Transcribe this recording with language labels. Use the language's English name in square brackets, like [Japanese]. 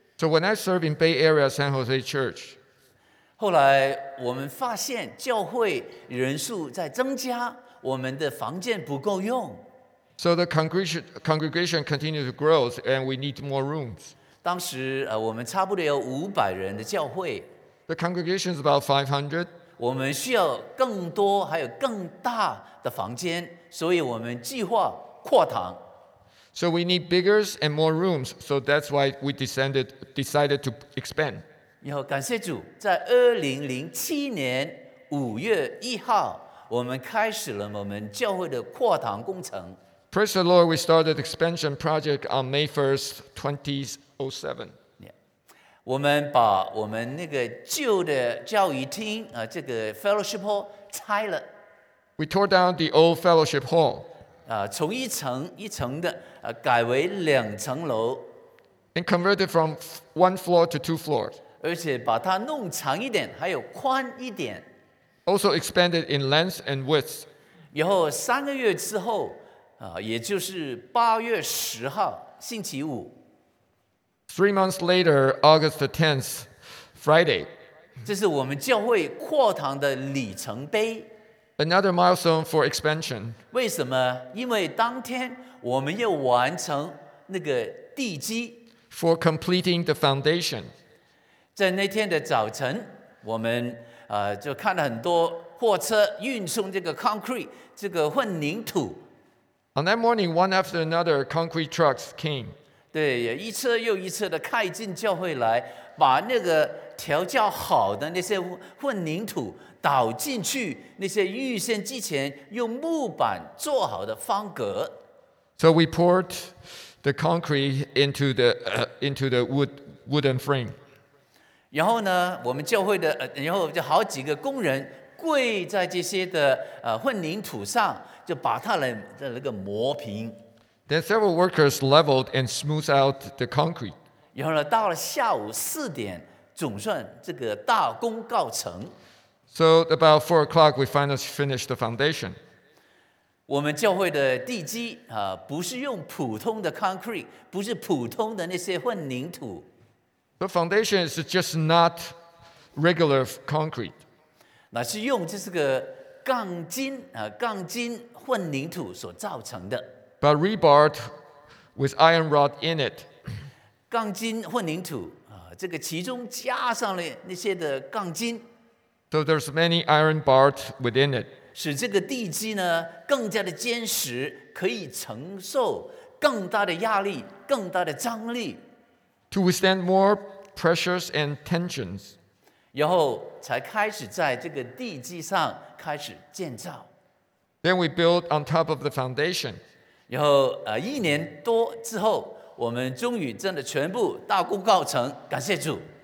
[English] So when I serve in Bay Area San Jose Church, [Chinese] 后来我们发现教会人数在增加，我们的房间不够用。 [English] So the congregation continues to grow, and we need more rooms. [Chinese] 当时我们差不多有500人的教会。 [English] The congregation is about 500. [Chinese] 我们需要更多，还有更大的房间。所以我们计划扩堂。 [English] So we need bigger and more rooms. So that's why we decided to expand. [Chinese] 然后感谢主，在2007年5月1号，我们开始了我们教会的扩堂工程。 [English] Praise the Lord, we started the expansion project on May 1st, 2007. [Chinese] 我们把我们那个旧的教育厅啊，这个 fellowship hall 拆了。 [English] We tore down the old fellowship hall. [Chinese] 啊，从一层一层的啊，改为两层楼。 [English] And converted from one floor to two floors. [Chinese] 而且把它弄长一点，还有宽一点。 [English] Also expanded in length and width. [Chinese] 然后三个月之后啊，也就是八月十号星期五。 [English] Three months later, August the 10th, Friday. [Chinese] 这是我们教会扩堂的里程碑。 [English] Another milestone for expansion. [Chinese] 为什么？因为当天我们要完成那个地基。 [English] For completing the foundation. [Chinese] 在那天的早晨，我们就看了很多货车运送这个 concrete， 这个混凝土。 [English] On that morning, one after another, concrete trucks came. [Chinese] 对，一车又一车的开进教会来，把那个调教好的那些混凝土倒进去，那些预先之前用木板做好的方格。 [English] So we poured the concrete into the wooden frame. [Chinese] 然后呢，我们教会的，然后就好几个工人跪在这些的混凝土上。就把它来的那个磨平。 [English] Then several workers leveled and smoothed out the concrete. [Chinese] 然后呢，到了下午四点，总算这个大功告成。 [English] So about 4 o'clock, we finally finished the foundation. [Chinese] 我们教会的地基啊，不是用普通的 concrete， 不是普通的那些混凝土。 [English] The foundation is just not regular concrete. [Chinese] 那是用这是个钢筋啊，钢筋。混凝土所造成的 [English] ，but rebar with iron rod in it， [Chinese] 钢筋混凝土啊，这个其中加上了那些的钢筋 [English] ，so there's many iron bars within it， [Chinese] 使这个地基呢更加的坚实，可以承受更大的压力、更大的张力 [English] ，to withstand more pressures and tensions， [Chinese] 然后才开始在这个地基上开始建造。 [English] Then we built on top of the foundation. [Chinese] 然后一年多之后，我们终于真的全部大功告成，感谢主。